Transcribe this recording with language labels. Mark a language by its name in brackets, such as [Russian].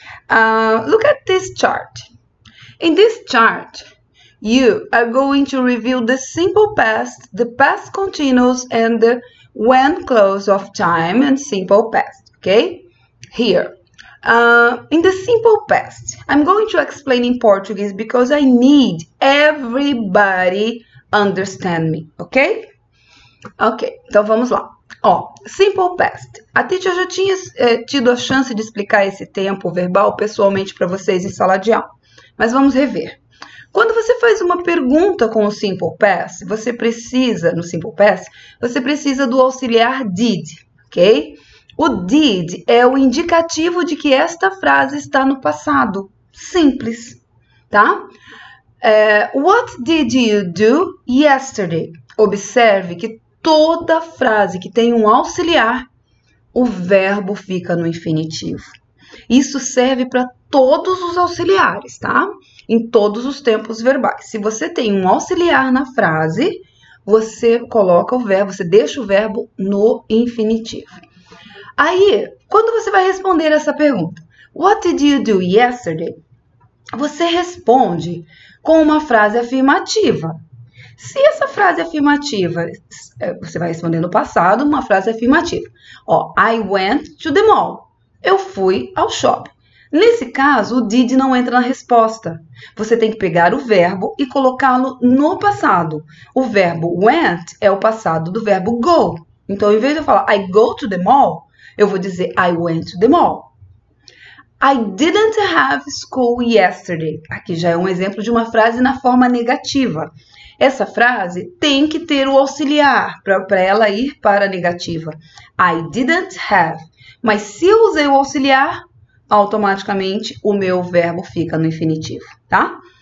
[English] Look at this chart. In this chart, you are going to review the simple past, the past continuous, and the when close of time and simple past. Okay? Here. In the simple past, I'm going to explain in Portuguese because I need everybody understand me, ok? [Portuguese] Ok, então vamos lá. Ó, simple past. A teacher já tinha tido a chance de explicar esse tempo verbal pessoalmente para vocês em sala de aula. Mas vamos rever. Quando você faz uma pergunta com o simple past, você precisa, no simple past, você precisa do auxiliar did, ok? O did é o indicativo de que esta frase está no passado. Simples, tá? [English] What did you do yesterday? [Portuguese] Observe que toda frase que tem um auxiliar, o verbo fica no infinitivo. Isso serve para todos os auxiliares, tá? Em todos os tempos verbais. Se você tem um auxiliar na frase, você coloca o verbo, você deixa o verbo no infinitivo. Aí, quando você vai responder essa pergunta, [English] What did you do yesterday? [Portuguese] Você responde com uma frase afirmativa. Se essa frase afirmativa, você vai responder no passado, uma frase afirmativa. [English] Ó, I went to the mall. [Portuguese] Eu fui ao shopping. Nesse caso, o did não entra na resposta. Você tem que pegar o verbo e colocá-lo no passado. O verbo went é o passado do verbo go. Então, em vez de eu falar [English] I go to the mall, [Portuguese] eu vou dizer, [English] I went to the mall. I didn't have school yesterday. [Portuguese] Aqui já é um exemplo de uma frase na forma negativa. Essa frase tem que ter o auxiliar para ela ir para a negativa. [English] I didn't have. [Portuguese] Mas se eu usei o auxiliar, automaticamente o meu verbo fica no infinitivo, tá?